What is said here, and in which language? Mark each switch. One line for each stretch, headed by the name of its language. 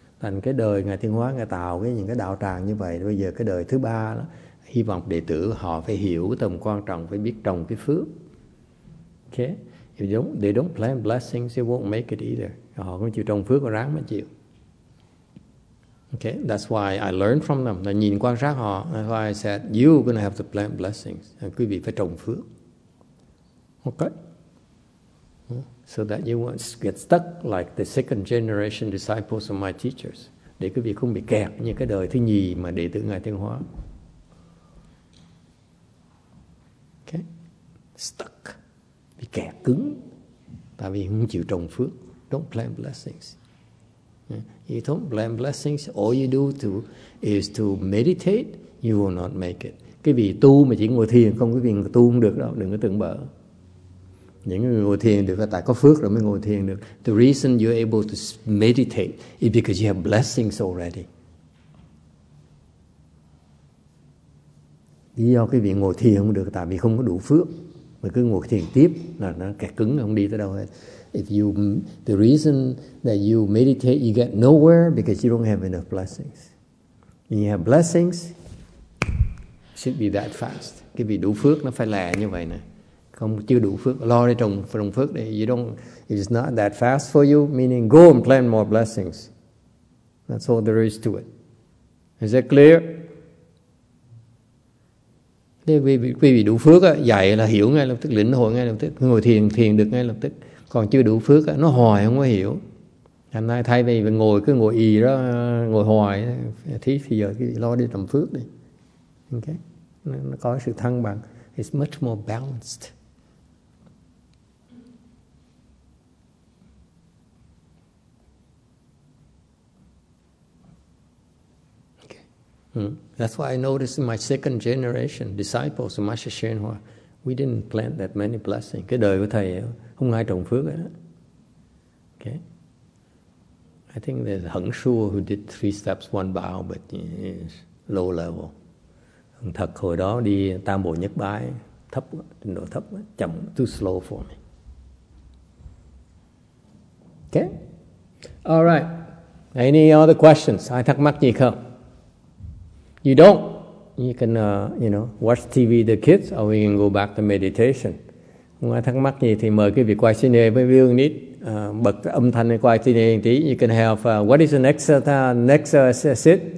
Vietnamese: Thành cái đời ngài Thiên Hóa ngài tạo cái những cái đạo tràng như vậy, bây giờ cái đời thứ ba đó, hy vọng đệ tử họ phải hiểu tầm quan trọng, phải biết trồng cái phước.
English: Okay, if they don't plant blessings, they won't make it either.
Vietnamese: Họ không chịu trồng phước, ráng mà chịu.
English: Okay, that's why I learned from them.
Vietnamese: Là nhìn quan sát họ.
English: That's why I said, you're going to have to plant blessings.
Vietnamese: Quý vị phải trồng phước.
English: Okay. So that you won't get stuck like the second generation disciples of my teachers.
Vietnamese: Để quý vị không bị kẹt như cái đời thứ nhì mà đệ tử ngài Thiên Hóa. Okay.
English: Stuck.
Vietnamese: Bị kẹt cứng. Tại vì không chịu trồng phước.
English: Don't plant blessings. You don't plant blessings. All you do is to meditate. You will not make it.
Vietnamese: Cái vị tu mà chỉ ngồi thiền không, cái vị tu không được đâu. Đừng có tưởng bỡ. Những người ngồi thiền được là tại có phước rồi mới ngồi thiền được. The reason you're able to meditate is because you have blessings already. Lý do cái vị ngồi thiền không được tại vì không có đủ phước. mà cứ ngồi thiền tiếp là nó kẹt cứng không đi tới đâu hết.
English: If you, the reason that you meditate, you get nowhere because you don't have enough blessings. When you have blessings, it should be that fast.
Vietnamese: Cái vị đủ phước nó phải lè như vậy nè. Không chưa đủ phước, lo đi trồng phước đi.
English: You don't, it's not that fast for you, meaning go and plant more blessings. That's all there is to it. Is that clear?
Vietnamese: Thế quý vị đủ phước á, dạy là hiểu ngay lập tức, lĩnh hội ngay lập tức, ngồi thiền được ngay lập tức. Còn chưa đủ phước á, nó hoài không có hiểu. Hôm nay thay vì ngồi cứ ngồi ì đó, ngồi hoài, thì giờ quý vị lo đi trồng phước đi. Okay? Nó có sự thăng bằng.
English: It's much more balanced. That's why I noticed in my second generation disciples of Master Shenhua, we didn't plant that many blessings.
Vietnamese: Cái đời của thầy không ai trồng phước hết.
English: Okay. I think there's Hằng Su who did three steps, one bow, but it's low level.
Vietnamese: Hằng Thật hồi đó đi tam bộ nhất bái, thấp, trình độ thấp, chậm,
English: too slow for me. Okay. All right. Any other questions?
Vietnamese: Ai thắc mắc gì không?
English: You don't. You can, you know, watch TV with the kids, or we can go back to meditation.
Vietnamese: Không ai thắc mắc gì thì mời quý vị quay xin đề với Vương Nít. Bật âm thanh này quay xin đề một tí.
English: You can have, what is the next sit?